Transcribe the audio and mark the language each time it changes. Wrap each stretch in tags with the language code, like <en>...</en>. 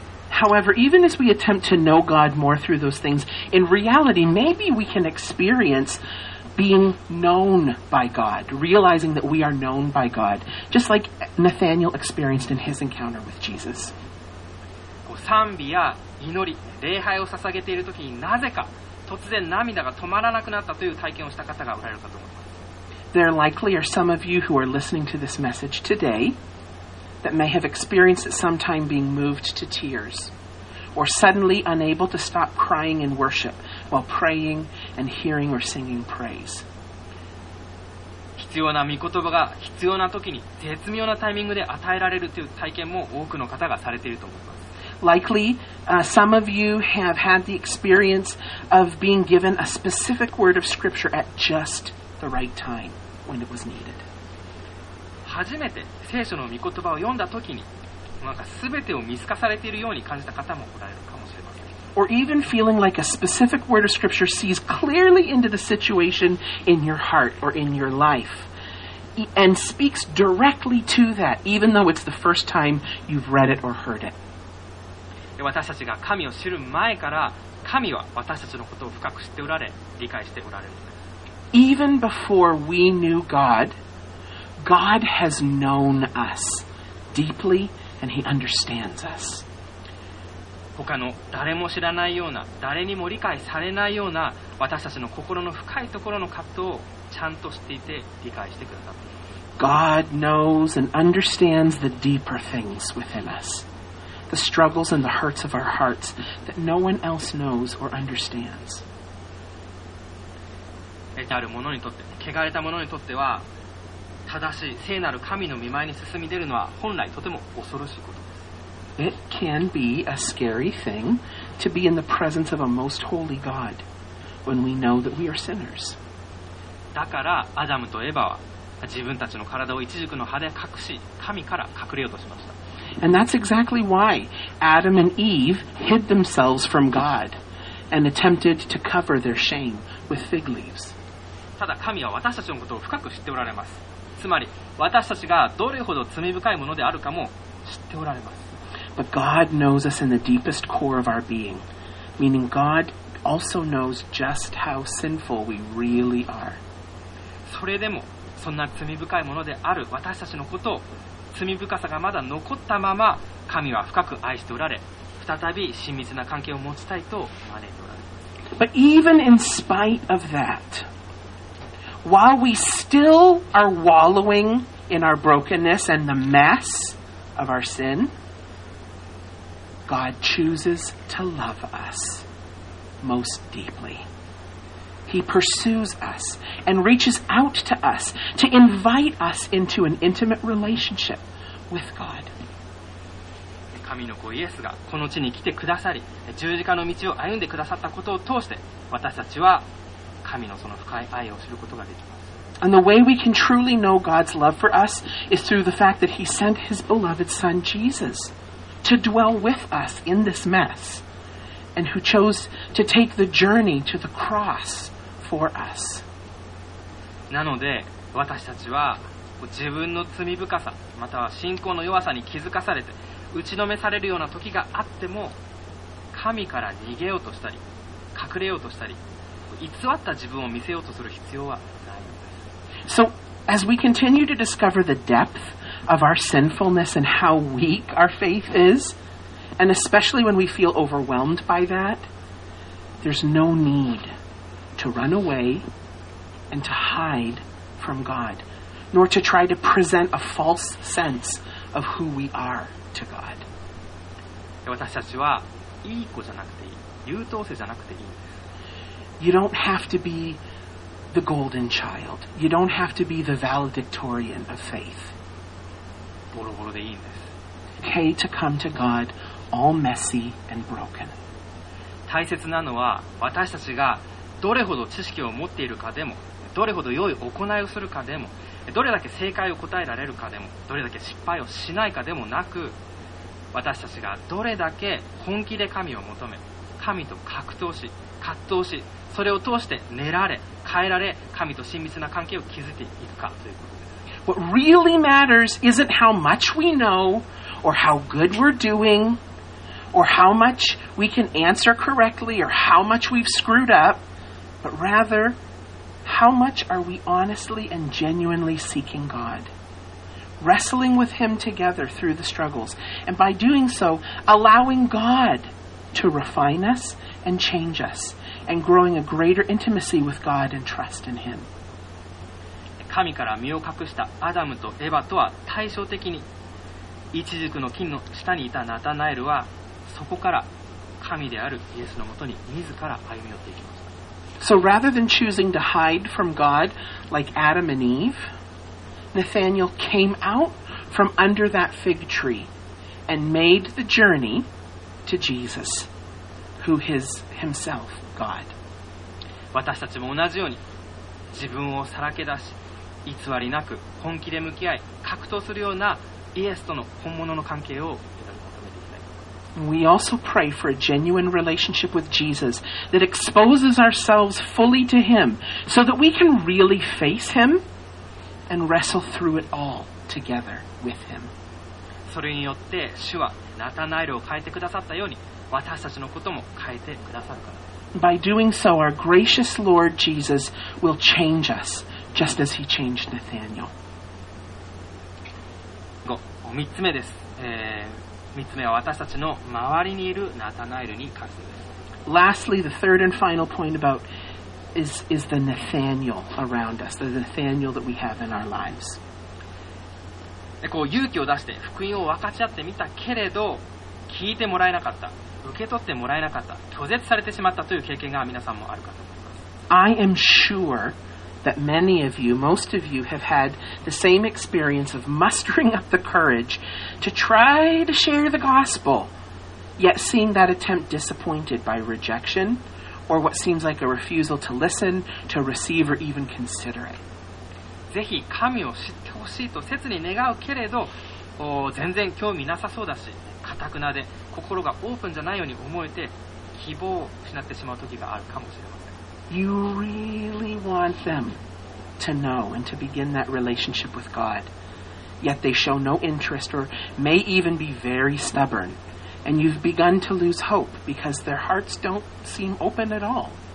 <en>However, even as we attempt to know God more through those things, in reality, maybe we can experience being known by God, realizing that we are known by God, just like Nathaniel experienced in his encounter with Jesus.</en> <ja>賛美や祈り、礼拝を捧げているときになぜか突然涙が止まらなくなったという体験をした方がおられるかと思います。</ja> <en>There likely are some of you who are listening to this message today that may have experienced at some time being moved to tears or suddenly unable to stop crying in worship while praying and hearing or singing praise.</en> <ja>必要な御言葉が必要な時に絶妙なタイミングで与えられるという体験も多くの方がされていると思います。</ja> <en>Likely, some of you have had the experience of being given a specific word of scripture at just the right time when it was needed.</en> <ja>初めて聖書の御言葉を読んだ時に、なんか全てを見透かされているように感じた方もおられるかもしれません。</ja> <en>Or even feeling like a specific word of scripture sees clearly into the situation in your heart or in your life and speaks directly to that, even though it's the first time you've read it or heard it.</en> <ja>私たちが神を知る前から神は私たちのことを深く知っておられ理解しておられるんです。</ja> <en>Even before we knew God, God has known us deeply and He understands us.</en> <ja>他の誰も知らないような誰にも理解されないような私たちの心の深いところの葛藤をちゃんと知っていて理解してくださっています。</ja> <en>God knows and understands the deeper things within us. The struggles and the hurts of our hearts that no one else knows or understands.</en> <ja>ある者にとって、汚れた者にとっては、正しい聖なる神の御前に進み出るのは本来とても恐ろしいことです。</ja> <en>It can be a scary thing to be in the presence of a most holy God when we know that we are sinners.</en> <ja>だからアダムとエヴァは自分たちの体をイチジクの葉で隠し、神から隠れようとしました。</ja> <en>And that's exactly why Adam and Eve hid themselves from God and attempted to cover their shame with fig leaves.</en> <ja>ただ神は私たちのことを深く知っておられます。つまり私たちがどれほど罪深いものであるかも知っておられます。</ja> <en>But God knows us in the deepest core of our being, meaning God also knows just how sinful we really are.</en> <ja>それでもそんな罪深いものである私たちのことを罪深さがまだ残ったまま神は深く愛しておられ再び親密な関係を持ちたいと招いておられます。</ja> <en>But even in spite of that, while we still are wallowing in our brokenness and the mess of our sin, God chooses to love us most deeply. He pursues us and reaches out to us to invite us into an intimate relationship with God.</en> <ja>神の子イエスがこの地に来てくださり、十字架の道を歩んでくださったことを通して、私たちは神のその深い愛を知ることができます。</ja> <en>And the way we can truly know God's love for us is through the fact that He sent His beloved Son Jesus to dwell with us in this mess and who chose to take the journey to the cross. For us.</en> <ja>なので私たちは自分の罪深さまたは信仰の弱さに気づかされて打ちのめされるような時があっても神から逃げようとしたり隠れようとしたり偽った自分を見せようとする必要はないのです。</ja> <en>So as we continue to discover the depth of our sinfulness and how weak our faith is and especially when we feel overwhelmed by that there's no needTo run away and to hide from God, nor to try to present a false sense of who we are to God.</en> <ja>私たちはいい子じゃなくていい、優等生じゃなくていい。</ja> <en>You don't have to be the golden child. You don't have to be the valedictorian of faith.</en> <ja>ボロボロでいいんです。</ja> <en>Okay, to come to God all messy and broken.</en> <ja>大切なのは私たちがどれほど知識を持っているかでも、どれほど良い行いをするかでも、どれだけ正解を答えられるかでも、どれだけ失敗をしないかでもなく、私たちがどれだけ本気で神を求め、神と格闘し、葛藤し、それを通して練られ、変えられ、神と親密な関係を築いていくかということです。</ja> <en>What really matters isn't how much we know, or how good we're doing, or how much we can answer correctly, or how much we've screwed up, But rather, How much are we honestly and genuinely seeking God? Wrestling with Him together through the struggles, and by doing so, allowing God to refine us and change us, and growing a greater intimacy with God and trust in Him.</en> <ja>神から身を隠したアダムとエヴァとは対照的に、イチジクの木の下にいたナタナエルは、そこから神であるイエスのもとに自ら歩み寄っていきました。</ja> <en>So rather than choosing to hide from God like Adam and Eve, Nathanael came out from under that fig tree and made the journey to Jesus, who is himself God.</en> <ja>私たちも同じように自分をさらけ出し、偽りなく本気で向き合い、格闘するようなイエスとの本物の関係を</ja> <en>We also pray for a genuine relationship with Jesus that exposes ourselves fully to Him so that we can really face Him and wrestle through it all together with Him.</en> <ja>それによって主はナタナエルを変えてくださったように私たちのことも変えてくださるから。</ja> <en>By doing so, our gracious Lord Jesus will change us just as He changed Nathanael.</en> <ja>3つ目です。 3つ目は私たちの周りにいるナタナエルに関するです。</ja> <en>Lastly, the third and final point about is the Nathanael around us, the Nathanael that we have in our lives.</en> <ja>こう勇気を出して福音を分かち合ってみたけれど、聞いてもらえなかった、受け取ってもらえなかった、拒絶されてしまったという経験が皆さんもあるかと思います。</ja> <en>I am sure that many of you, most of you, have had the same experience of mustering up the courage to try to share the gospel, yet seeing that attempt disappointed by rejection, or what seems like a refusal to listen, to receive, or even consider it.</en> <ja>ぜひ神を知ってほしいと切に願うけれど、全然興味なさそうだし、固くなで心がオープンじゃないように思えて、希望を失ってしまう時があるかもしれません。</ja> <en>You really want them to know and to begin that relationship with God. Yet they show no interest or may even be very stubborn. And you've begun to lose hope because their hearts don't seem open at all.</en>